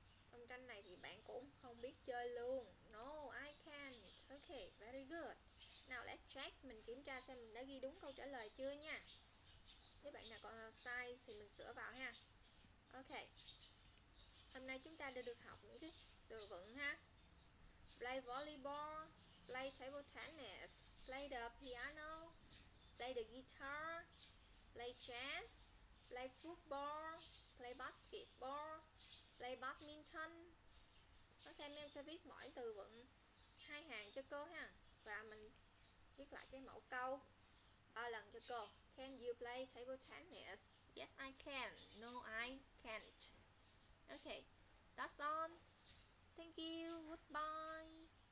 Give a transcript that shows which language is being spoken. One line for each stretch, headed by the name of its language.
Vietnamese: Trong tranh này thì bạn cũng không biết chơi luôn.
English: No, I can't. Okay, very good. Now let's check.
Vietnamese: Mình kiểm tra xem mình đã ghi đúng câu trả lời chưa nha. Nếu bạn nào còn sai thì mình sửa vào ha. Okay. Hôm nay chúng ta đã được học những cái từ vựng ha.
English: Play volleyball, play table tennis, play the piano, play the guitar, play chess, play football, play basketball, play badminton.
Vietnamese: Ok, em sẽ viết mỗi từ vựng hai hàng cho cô ha. Và mình viết lại cái mẫu câu ba lần cho cô.
English: Can you play table tennis? Yes, I can. No, I can't. Okay, that's all. Thank you. Goodbye.